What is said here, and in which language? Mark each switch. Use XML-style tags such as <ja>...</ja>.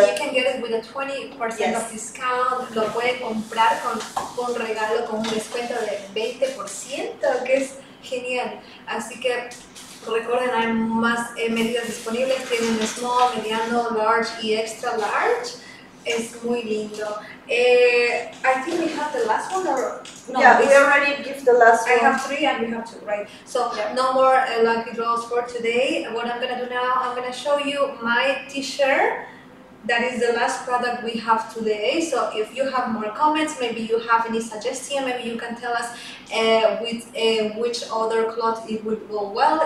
<en>Yes, you can get it with a 20% of discount.</en> <es>Lo pueden comprar con un regalo, con un descuento de 20%, que es genial. Así que, recuerden, hay más medidas disponibles, tienen small, mediano, large y extra large. Es muy lindo.</es> <en>I think we have the last one or no? Yeah, we already give the last one. I have three and you have two, right? So no more lucky draws for today. What I'm gonna do now, I'm gonna show you my t-shirt. That is the last product we have today. So if you have more comments, maybe you have any suggestion, maybe you can tell us with which other cloth it would go well.</en>